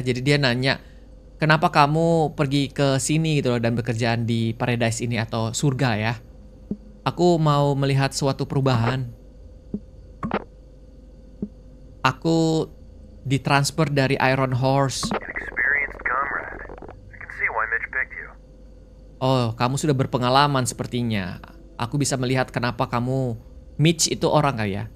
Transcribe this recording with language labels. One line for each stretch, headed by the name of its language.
Indonesian: Jadi dia nanya, kenapa kamu pergi ke sini gitu loh dan bekerjaan di paradise ini atau surga ya. Aku mau melihat suatu perubahan. Aku ditransfer dari Iron Horse.
English: An experienced comrade. I can see why Mitch picked you.
Indonesian: Oh, kamu sudah berpengalaman sepertinya. Aku bisa melihat kenapa kamu Mitch itu orang kali ya.